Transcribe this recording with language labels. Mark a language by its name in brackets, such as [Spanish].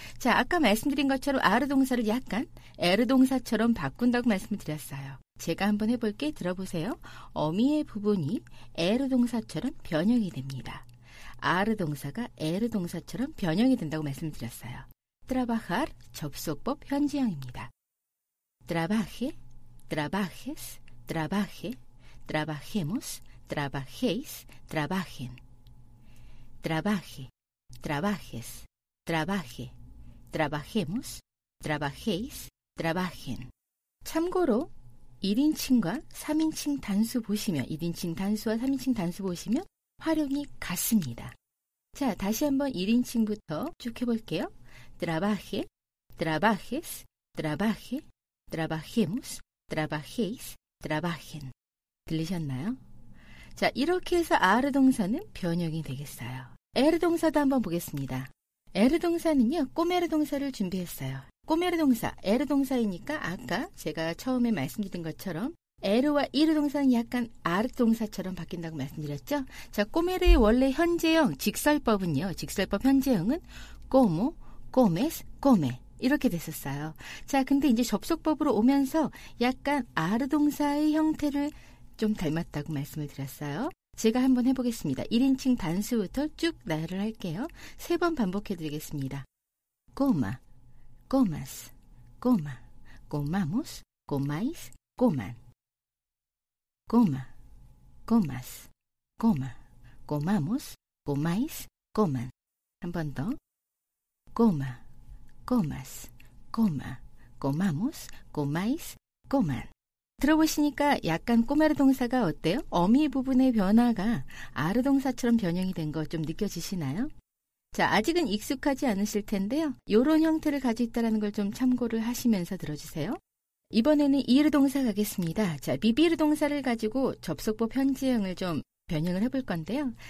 [Korean] 자, 아까 말씀드린 것처럼 are 동사를 약간 er 동사처럼 바꾼다고 말씀을 드렸어요. 제가 한번 해볼게 들어보세요. 어미의 부분이 er 동사처럼 변형이 됩니다. are 동사가 er 동사처럼 변형이 된다고 말씀드렸어요. trabajar 접속법 현재형입니다. [Spanish] trabaje, trabajes, trabaje, trabajemos, trabajéis, trabajen. trabaje, trabajes, trabaje, trabajemos, trabajéis, trabajen. [Korean] 참고로 1인칭과 3인칭 단수 보시면 1인칭 단수와 3인칭 단수 보시면 활용이 같습니다. 자, 다시 한번 1인칭부터 쭉 해볼게요. trabaje, trabajes, trabaje, trabajemos, trabajéis, trabajen. 들리셨나요? 자, 이렇게 해서 are 동사는 변형이 되겠어요. er 동사도 한번 보겠습니다. er 동사는요, 꼬메르 동사를 준비했어요. 꼬메르 동사, 에르 동사이니까 아까 제가 처음에 말씀드린 것처럼 에르와 이르 동사는 약간 아르 동사처럼 바뀐다고 말씀드렸죠. 자, 꼬메르의 원래 현재형 직설법은요. 직설법 현재형은 꼬모, 꼬메스, 꼬메 이렇게 됐었어요. 자, 근데 이제 접속법으로 오면서 약간 아르 동사의 형태를 좀 닮았다고 말씀을 드렸어요. 제가 한번 해보겠습니다. 1인칭 단수부터 쭉 나열을 할게요. 세 번 반복해드리겠습니다. [Spanish] 꼬마 comas, coma, comamos, comáis, coman. coma, comas, coma, comamos, comáis, coman. 한 번 더. coma, comas, coma, comamos, comáis, coman. [Korean] 들어보시니까 약간 꼬메르 동사가 어때요? 어미 부분의 변화가 아르 동사처럼 변형이 된 거 좀 느껴지시나요? 자, 아직은 익숙하지 않으실 텐데요. 요런 형태를 가지고 있다라는 걸 좀 참고를 하시면서 들어주세요. 이번에는 이르 동사 가겠습니다. 자, 비비르 동사를 가지고 접속법 현재형을 좀 변형을 해볼 건데요.